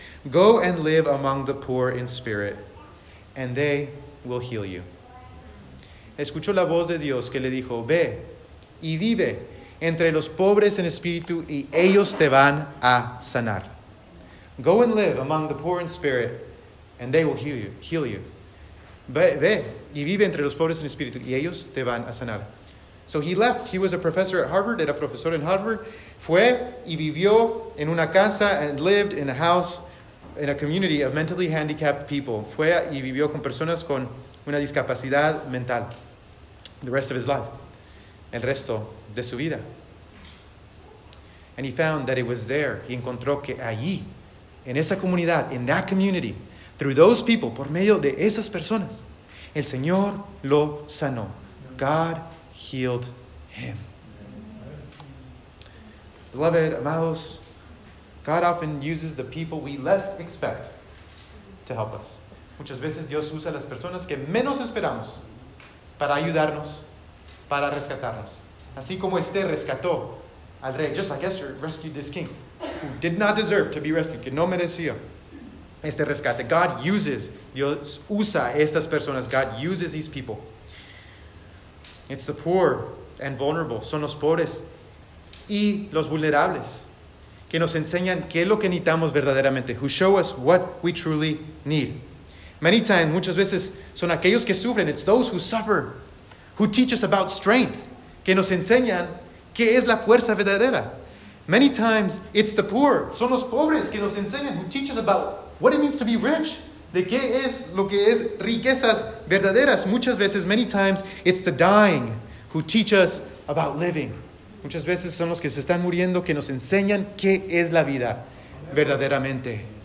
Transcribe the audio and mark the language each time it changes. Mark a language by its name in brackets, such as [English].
[English] Go and live among the poor in spirit, and they will heal you. [Spanish] Escuchó la voz de Dios que le dijo, ve y vive entre los pobres en espíritu y ellos te van a sanar. [English] Go and live among the poor in spirit, and they will heal you. [Spanish] Ve y vive entre los pobres en espíritu y ellos te van a sanar. [English] So he left. He was a professor at Harvard, [Spanish] era profesor en Harvard. Fue y vivió en una casa [English] and lived in a house in a community of mentally handicapped people. [Spanish] Fue y vivió con personas con una discapacidad mental. [English] The rest of his life. [Spanish] El resto de su vida. [English] And he found that it was there. [Spanish] Y encontró que allí, en esa comunidad, [English] in that community, through those people, [Spanish] por medio de esas personas, el Señor lo sanó. [English] God healed him. Beloved, [Spanish] amados, [English] God often uses the people we less expect to help us. [Spanish] Muchas veces Dios usa las personas que menos esperamos para ayudarnos, para rescatarnos. Así como este rescató al rey, [English] just like Esther rescued this king, who did not deserve to be rescued, [Spanish] que no merecía este rescate. [English] God uses, [Spanish] Dios usa estas personas, [English] God uses these people. It's the poor and vulnerable, [Spanish] son los pobres y los vulnerables, que nos enseñan qué es lo que necesitamos verdaderamente, [English] who show us what we truly need. Many times, [Spanish] muchas veces, son aquellos que sufren, [English] it's those who suffer, who teach us about strength, [Spanish] que nos enseñan qué es la fuerza verdadera. [English] Many times, it's the poor, [Spanish] son los pobres que nos enseñan, [English] who teach us about what it means to be rich, [Spanish] de qué es lo que es riquezas verdaderas. Muchas veces, [English] many times, it's the dying who teach us about living. [Spanish] Muchas veces son los que se están muriendo que nos enseñan qué es la vida verdaderamente.